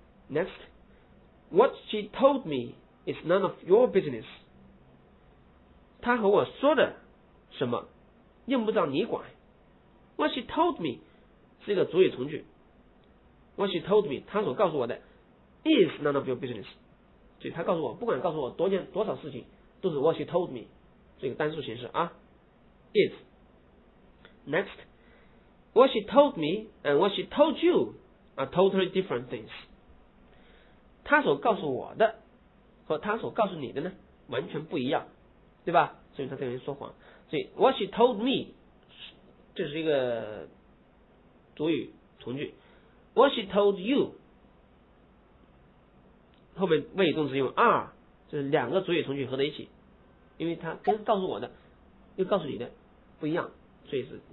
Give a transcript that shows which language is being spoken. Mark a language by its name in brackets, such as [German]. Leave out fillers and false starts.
[English] Next, what she told me is none of your business. [Chinese] 她和我说的什么，用不着你管。 [English] What she told me [Chinese] 是一个主语从句。 [English] What she told me [Chinese] 她所告诉我的 [English] is none of your business. [Chinese] 所以她告诉我，不管告诉我多少事情，都是 [English] what she told me [Chinese] 这个单数形式啊。 [English] Is. Next. What she told me and what she told you are totally different things. [Chinese] 她所告诉我的和她所告诉你的呢，完全不一样，对吧？所以她在跟你说谎。所以 [English] what she told me [Chinese] 这是一个主语从句。 [English] What she told you [Chinese] 后面谓语动词用 are， 这是两个主语从句合在一起，因为她跟告诉我的又告诉你的不一样，所以是。